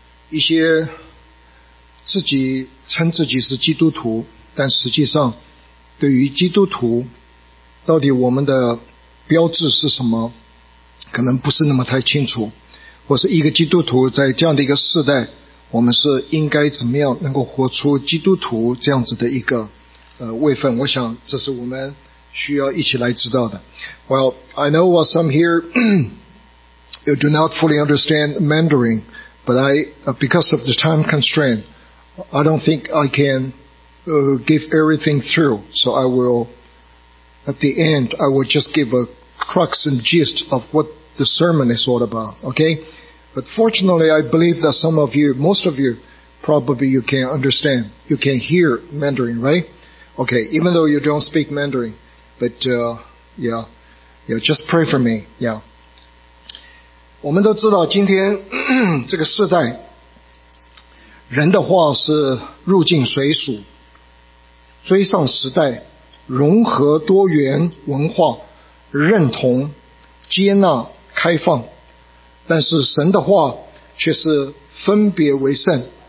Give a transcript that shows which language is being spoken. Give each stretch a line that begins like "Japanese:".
Chinese: 一些自己称自己是基督徒，但实际上对于基督徒到底我们的标志是什么，可能不是那么太清楚，或是一个基督徒在这样的一个世代，我们是应该怎么样能够活出基督徒这样子的一个位分。我想这是我们需要一起来知道的。
English: Well, I know what some here you do not fully understand Mandarin, but I, because of the time constraint, I don't think I can give everything through. So I will, at the end, I will just give a crux and gist of what the sermon is all about, okay? But fortunately, I believe that some of you, most of you, probably you can understand, you can hear Mandarin, right? Okay, even though you don't speak Mandarin, but yeah, just pray for me, yeah.
Chinese: 我们都知道今天这个世代人的话是入境随俗，追上时代，融合多元文化，认同接纳开放，但是神的话却是分别为圣，